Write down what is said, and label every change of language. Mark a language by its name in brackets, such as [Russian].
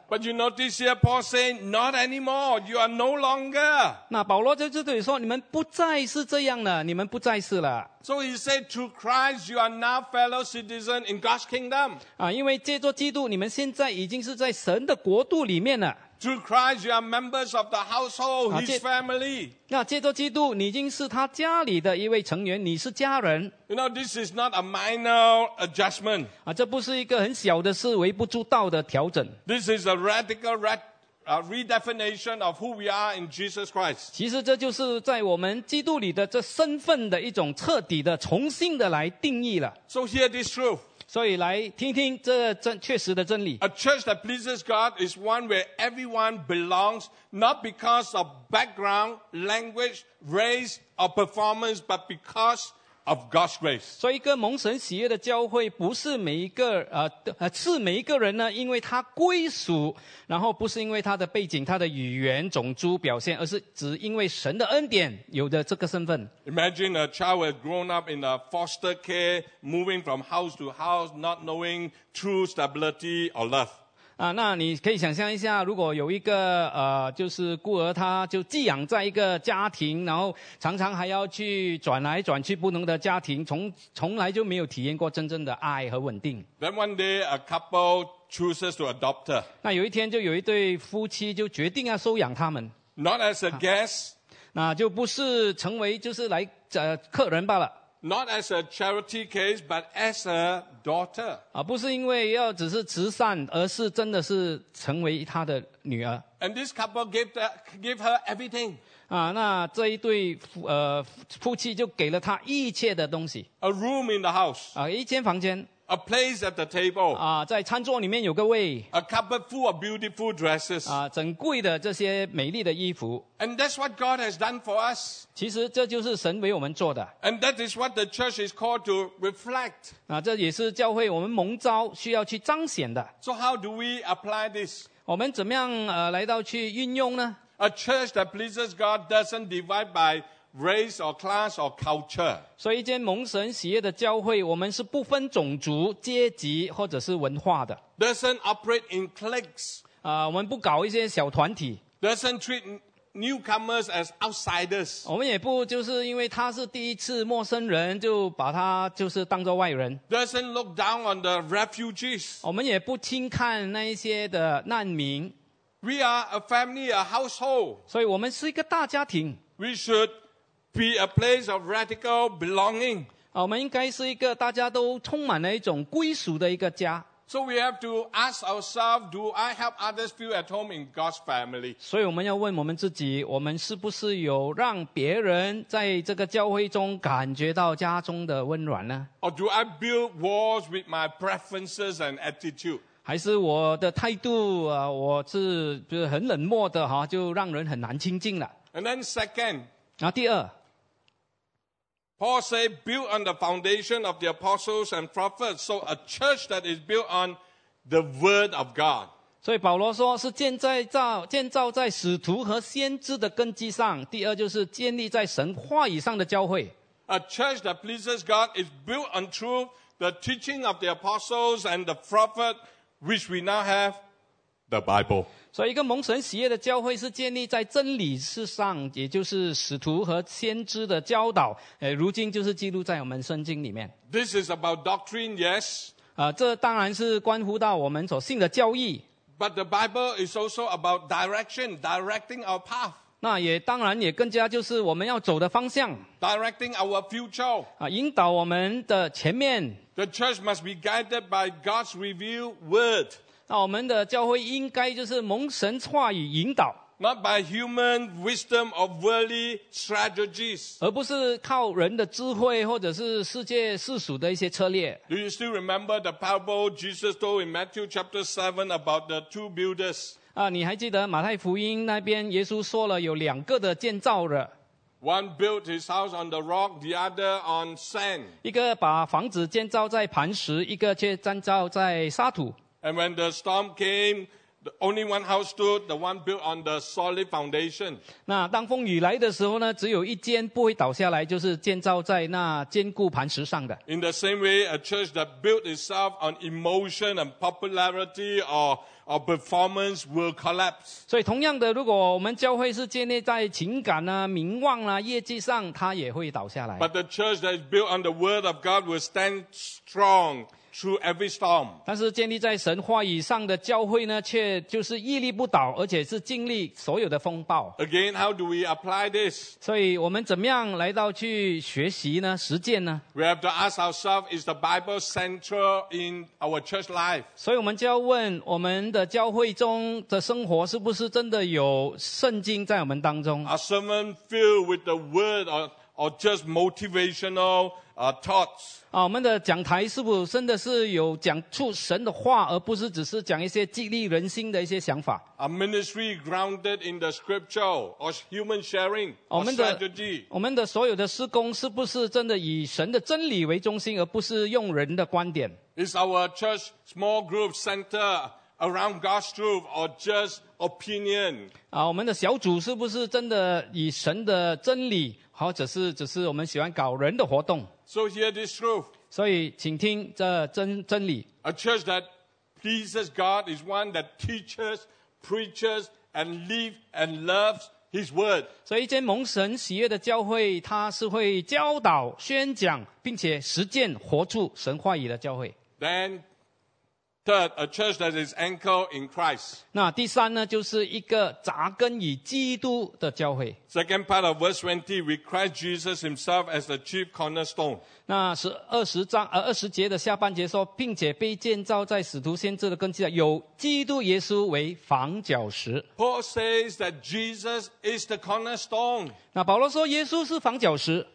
[English] But you notice here, Paul saying, "Not anymore. You are no longer." [Chinese] 那保罗就这里说，你们不再是这样了，你们不再是了。 [English] So he said, "Through Christ, you are now fellow citizens in God's kingdom." [Chinese] 因为借着基督，你们现在已经是在神的国度里面了。 [English] Through Christ, you are members of the household, His family. [Chinese] 那借着基督，你已经是他家里的一位成员，你是家人。 [English] You know, this is not a minor adjustment. [Chinese] 这不是一个很小的事，微不足道的调整。 [English] This is a radical redefinition of who we are in Jesus Christ. [Chinese] 其实这就是在我们基督里的这身份的一种彻底的重新的来定义了。 [English] So hear this truth. [Chinese] 所以来听听这个真确实的真理。 [English] A church that pleases God is one where everyone belongs, not because of background, language, race, or performance, but because of God's grace. [Chinese] 所以一个蒙神喜悦的教会，不是每一个是每一个人呢，因为他归属，然后不是因为他的背景、他的语言、种族表现，而是只因为神的恩典有的这个身份。 [English] Imagine a child who has grown up in a foster care, moving from house to house, not knowing true stability or love. [Chinese] 啊，那你可以想象一下，如果有一个就是孤儿，他就寄养在一个家庭，然后常常还要去转来转去不同的家庭，从来就没有体验过真正的爱和稳定。 [English] Then one day a couple chooses to adopt her. [Chinese] 那有一天就有一对夫妻就决定要收养他们。 [English] Not as a guest. [Chinese] 那就不是成为就是来客人罢了。 [English] Not as a charity case, but as a daughter. [Chinese] 啊，不是因为要只是慈善，而是真的是成为他的女儿。 [English] And this couple gave her everything. [Chinese] 啊，那这一对夫妻就给了他一切的东西。 [English] A room in the house. [Chinese] 啊，一间房间。 [English] A place at the table. [Chinese] 啊，在餐桌里面有个位。 [English] A cupboard full of beautiful dresses. [Chinese] 啊，整柜的这些美丽的衣服。 [English] And that's what God has done for us. [Chinese] 其实这就是神为我们做的。 [English] And that is what the church is called to reflect. [Chinese] 啊，这也是教会我们蒙召需要去彰显的。 [English] So how do we apply this? [Chinese] 我们怎么样来到去运用呢？ [English] A church that pleases God doesn't divide by race or class or culture. [Chinese] 所以一间蒙神喜悦的教会，我们是不分种族、阶级或者是文化的。 [English] Doesn't operate in cliques. [Chinese] 我们不搞一些小团体。 [English] Doesn't treat newcomers as outsiders. [Chinese] 我们也不就是因为他是第一次陌生人，就把他就是当作外人。 [English] Doesn't look down on the refugees. [Chinese] 我们也不轻看那一些的难民。 [English] We are a family, a household. [Chinese] 所以我们是一个大家庭。 [English] We should be a place of radical belonging. [Chinese] 我们应该是一个大家都充满了一种归属的一个家。 [English] So we have to ask ourselves, do I help others feel at home in God's family? [Chinese] 所以我们要问我们自己，我们是不是有让别人在这个教会中感觉到家中的温暖呢？ [English] Or do I build walls with my preferences and attitude? [Chinese] 还是我的态度我是就是很冷漠的就让人很难亲近了。 [English] And then second, [Chinese] 然后第二 [English] Paul said, built on the foundation of the apostles and prophets, so a church that is built on the word of God. [Chinese] 所以保罗说是建造在使徒和先知的根基上，第二就是建立在神话语上的教会。 [English] A church that pleases God is built on truth, the teaching of the apostles and the prophets, which we now have the Bible. [Chinese] 所以一个蒙神喜悦的教会是建立在真理之上，也就是使徒和先知的教导，如今就是记录在我们圣经里面。 [English] This is about doctrine, yes. [Chinese] 这当然是关乎到我们所信的教义。 [English] But the Bible is also about direction, directing our path. [Chinese] 那也当然也更加就是我们要走的方向。 [English] Directing our future. [Chinese] 引导我们的前面。 [English] The church must be guided by God's revealed word. [Chinese] 那我们的教会应该就是蒙神话语引导， [English] not by human wisdom or worldly strategies， [Chinese] 而不是靠人的智慧或者是世界世俗的一些策略。 [English] Do you still remember the parable Jesus told in Matthew chapter 7 about the two builders？ [Chinese] 啊，你还记得马太福音那边耶稣说了有两个的建造者。 [English] One built his house on the rock, the other on sand。 [Chinese] 一个把房子建造在磐石，一个却建造在沙土。 [English] And when the storm came, the only one house stood, the one built on the solid foundation. [Chinese] 那当风雨来的时候呢，只有一间不会倒下来，就是建造在那坚固磐石上的。 [English] In the same way, a church that built itself on emotion and popularity or performance will collapse. [Chinese] 所以同样的，如果我们教会是建立在情感啊、名望啊、业绩上，它也会倒下来。 [English] But the church that is built on the word of God will stand strong. Through every storm. [Chinese] 但是建立在神话以上的教会呢，却就是屹立不倒，而且是经历所有的风暴。 [English] Again, how do we apply this? [Chinese] 所以我们怎么样来到去学习呢？实践呢？ [English] We have to ask ourselves, is the Bible central in our church life? [Chinese] 所以我们就要问，我们的教会中的生活是不是真的有圣经在我们当中？ [English] Are sermons filled with the word or, or just motivational thoughts. [Chinese] 啊，我们的讲台是不是真的是有讲出神的话，而不是只是讲一些激励人心的一些想法 [English] ？A ministry grounded in the scripture or human sharing or strategy. [Chinese] 我们的所有的施工是不是真的以神的真理为中心，而不是用人的观点 [English] ？Is our church small group center around God's truth or just opinion? [Chinese] 啊，我们的小组是不是真的以神的真理，或者是只是我们喜欢搞人的活动？ [English] So hear this truth. [Chinese] 所以请听这真理。 [English] A church that pleases God is one that teaches, preaches, and lives and loves His word. [Chinese] 所以一间蒙神喜悦的教会，它是会教导、宣讲，并且实践、活出神话语的教会。 [English] Then, third, a church that is anchored in Christ. [Chinese] 那第三呢，就是一个扎根于基督的教会。 [English] Second part of verse 20, with Christ Jesus Himself as the chief cornerstone. [Chinese] 那是二十节的下半节说，并且被建造在使徒先知的根基上，有基督耶稣为房角石。 [English] Paul says that Jesus is the cornerstone. [Chinese] 那保罗说耶稣是房角石，